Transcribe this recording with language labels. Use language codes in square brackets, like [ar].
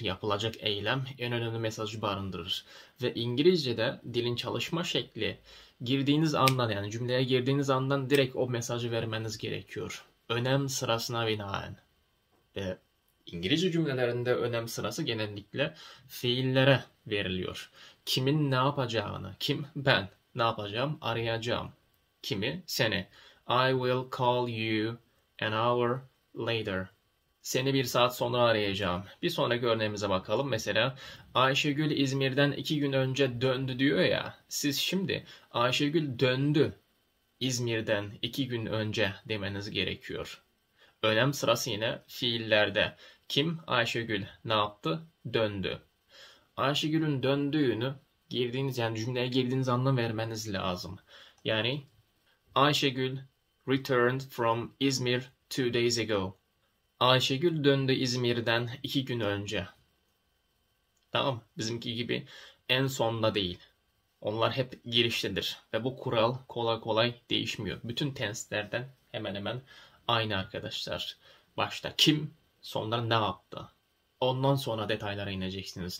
[tr] Yapılacak eylem en önemli mesajı barındırır. Ve İngilizce'de dilin çalışma şekli girdiğiniz andan, yani cümleye girdiğiniz andan direkt o mesajı vermeniz gerekiyor. Önem sırasına binaen. Ve İngilizce cümlelerinde önem sırası genellikle fiillere veriliyor. Kimin ne yapacağını, kim? Ben. Ne yapacağım? Arayacağım. Kimi? Seni. [en] I will call you an hour later. [tr] Seni bir saat sonra arayacağım. Bir sonraki örneğimize bakalım. Mesela Ayşegül İzmir'den 2 gün önce döndü diyor ya. Siz şimdi Ayşegül döndü İzmir'den 2 gün önce demeniz gerekiyor. Önem sırası yine fiillerde. Kim? Ayşegül. Ne yaptı? Döndü. Ayşegül'ün döndüğünü girdiğiniz, yani cümleye girdiğiniz anlam vermeniz lazım. Yani [en] Ayşegül returned from İzmir 2 days ago. [tr] Ayşegül döndü İzmir'den 2 gün önce. Tamam, bizimki gibi en sonda değil. Onlar hep giriştedir ve bu kural kolay kolay değişmiyor. Bütün tenslerden hemen hemen aynı arkadaşlar. Başta kim, sonra ne yaptı? Ondan sonra detaylara ineceksiniz.